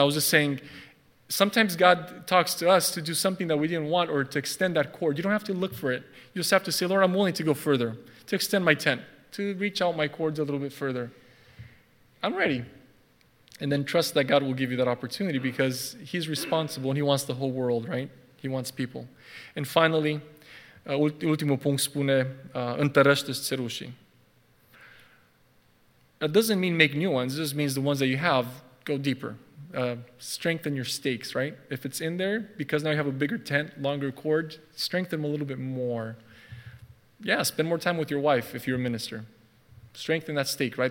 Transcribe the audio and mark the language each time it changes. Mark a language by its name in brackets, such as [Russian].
[English] I was just saying, sometimes God talks to us to do something that we didn't want or to extend that cord. You don't have to look for it. You just have to say, Lord, I'm willing to go further, to extend my tent, to reach out my cords a little bit further. I'm ready. And then trust that God will give you that opportunity because he's responsible and he wants the whole world, right? He wants people. And finally, [Romanian] ultimul punct spune, întărește-ți țărușii. [English] That doesn't mean make new ones. It just means the ones that you have, go deeper. Strengthen your stakes, right? If it's in there, because now you have a bigger tent, longer cord, strengthen them a little bit more. Yeah, spend more time with your wife if you're a minister. Strengthen that stake, right?